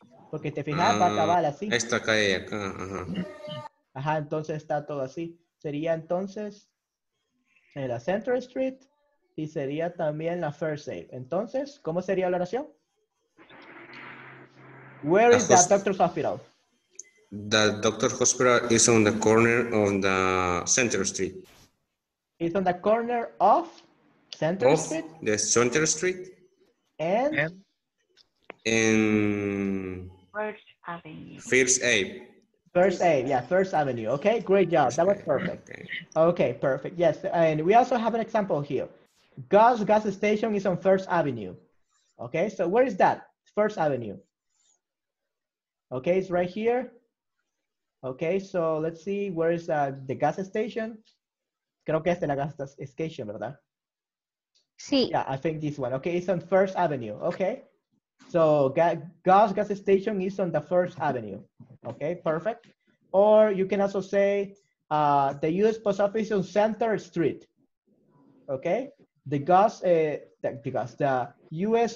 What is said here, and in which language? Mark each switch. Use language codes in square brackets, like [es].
[es] Porque te fijas, va a acabar así. Esta calle acá. Ajá, entonces está todo así. Sería entonces en la Center Street. Y sería también la [en] first save. [es] Entonces, ¿cómo sería la oración? [en] Where is that doctor's hospital? The doctor's hospital is on the corner of the Center Street. It's on the corner of Center of Street? The Center Street. And? In First Avenue. First Ave. First Ave, yeah, First Avenue. Okay, great job. First that was perfect. Okay, perfect. Yes, and we also have an example here. Gus gas station is on First Avenue. Okay, so where is that? First Avenue. Okay, it's right here. Okay, so let's see, where is the gas station? [es] Creo que es de la gas station, ¿verdad? Sí. [en] Yeah, I think this one. Okay, it's on First Avenue. Okay, so Gus gas station is on the First Avenue. Okay, perfect. Or you can also say the U.S. Post Office on Center Street. Okay, the U.S.